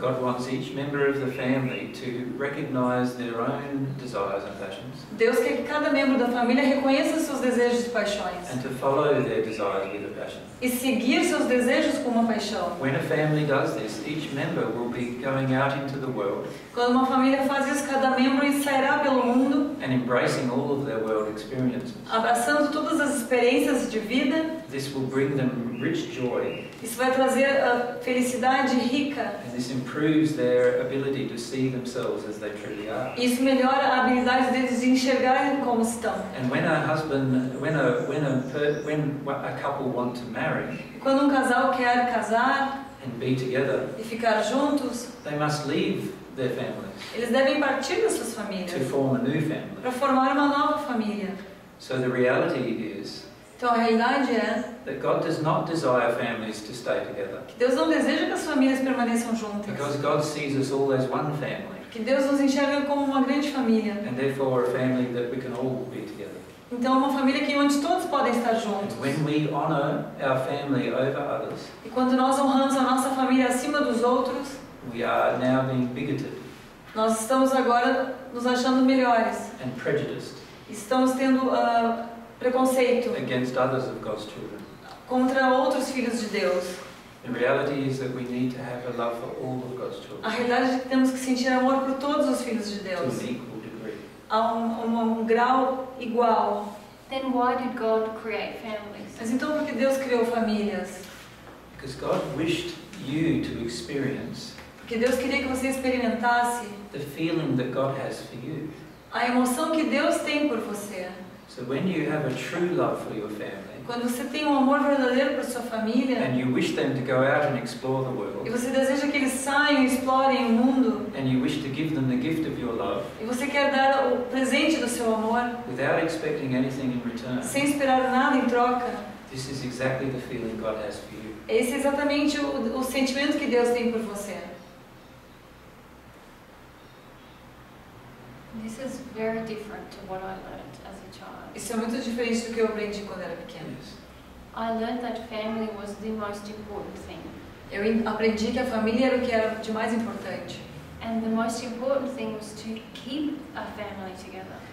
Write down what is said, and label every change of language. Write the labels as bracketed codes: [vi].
[en] God wants each member of the family to recognize their own desires and passions. [pt] Deus quer que cada membro da família reconheça seus desejos e paixões. [en] And to follow their desires with a passion. [pt] E seguir seus desejos com uma paixão. [en] When a family does this, each member will be going out into the world. [pt] Quando uma família faz isso, cada membro sairá pelo mundo. [en] And embracing all of their world experiences. [pt] Abraçando todas as experiências de vida. [en] This will bring them rich joy. [pt] Isso vai trazer a felicidade rica. [en] And this improves their ability to see themselves as they truly are. [pt] Isso melhora a habilidade deles de enxergarem como estão. [en] And when a husband, when a couple want to marry. [pt] Quando casal quer casar. [en] And be together. [pt] E ficar juntos. [en] They must leave their families. [pt] Eles devem partir das suas famílias. [en] To form a new family. [pt] Para formar uma nova família. [en] So the reality is. [pt] Então a realidade é [en] that God does not desire families to stay together. [pt] Que Deus não deseja que as famílias permaneçam juntas. [en] Because God sees us all as one family. [pt] Que Deus nos enxerga como uma grande família. [en] And therefore a family that we can all be together. [pt] Então uma família que onde todos podem estar juntos. [en] When we honor our family over others. [pt] E quando nós honramos a nossa família acima dos outros. [en] We are now being bigoted. [pt] Nós estamos agora nos achando melhores. [en] And prejudiced. [pt] Estamos tendo preconceito [en] against others of God's children. [pt] Contra outros filhos de Deus. [en] The reality is that we need to have a love for all of God's children. [pt] A realidade é que temos que sentir amor por todos os filhos de Deus. [en] To an equal degree. [pt] A um grau igual. [en] Then why did God create families? [pt] Mas então por que Deus criou famílias? [en] Because God wished you to experience. [pt] Porque Deus queria que você experimentasse. [en] The feeling that God has for you. [pt] A emoção que Deus tem por você. [en] So when you have a true love for your family, [pt] quando você tem um amor verdadeiro para sua família, [en] and you wish them to go out and explore the world, [pt] e você deseja que eles saiam e explorem o mundo, [en] and you wish to give them the gift of your love, [pt] e você quer dar o presente do seu amor, [en] without expecting anything in return, [pt] sem esperar nada em troca, [en] this is exactly the feeling God has for you. [pt] Esse é exatamente o sentimento que Deus tem por você. [en] This is very different to what I learned as a child. [pt] Isso é muito diferente do que eu aprendi quando era pequena. [en] Yes. I learned that family was the most important thing. [pt] Eu aprendi que a família era o que era de mais importante. [en] And the most important thing was to keep a family together.